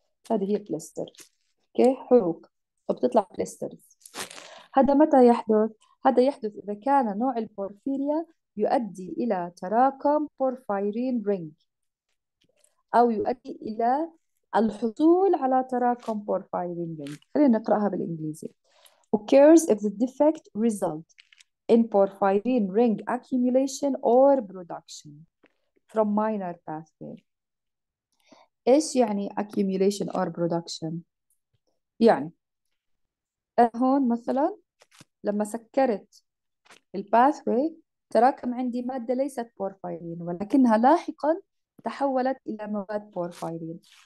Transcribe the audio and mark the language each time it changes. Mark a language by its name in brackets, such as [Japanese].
[Arabic] هذه هي blister، اوكي، حروق وبتطلع blisters. هذا متى يحدث؟ هذا يحدث إذا كان نوع البورفيريا يؤدي إلى تراكم بورفايرين رينج، أو يؤدي إلى الحصول على تراكم بورفايرين رينج. خلينا نقرأها بالإنجليزي. [English] Occurs if the defect result in porphyrin ring accumulation or production from minor pathway. [Arabic] إيش يعني [English] accumulation or production؟ [Arabic] يعني هون مثلا لما سكرت الباثوي تراكم عندي مادة ليست بورفايرين، ولكنها لاحقا تحولت إلى مواد بورفايرين.